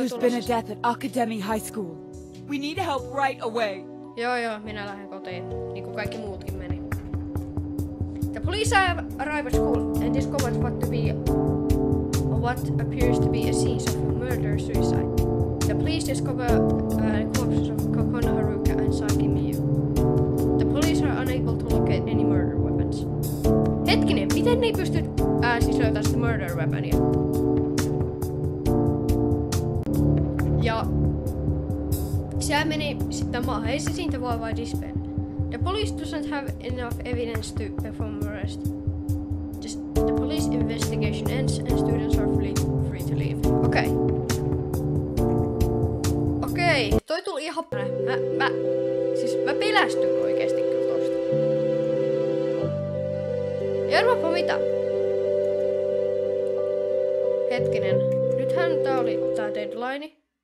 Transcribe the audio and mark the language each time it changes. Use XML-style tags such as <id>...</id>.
<en>There's been a death at Academy High School. We need help right away.</en> <fi>Joo, minä lähden kotiin, niin kuin kaikki muutkin meni.</fi> <en>The police arrive at school and discover what appears to be a series of murder suicide. The police discover the corpses of Kokono Haruka and Saki Miyu. The police are unable to locate any murder weapons.</en> <fi>Hetkinen, miten ne pystyt siis löytää sitä murder weaponia? Ja se meni sitten maahan, ei se siitä voi vain dispel.</fi> <en>The police doesn't have enough evidence to perform arrest. The police investigation ends and students are free to leave.</en> <fi>Okei. Okei, toi tuli ihan päälle. Mä pelästyn oikeesti kyllä tosta. Ja arvaapa mitä? Hetkinen, nythän tää oli tää deadline.</fi>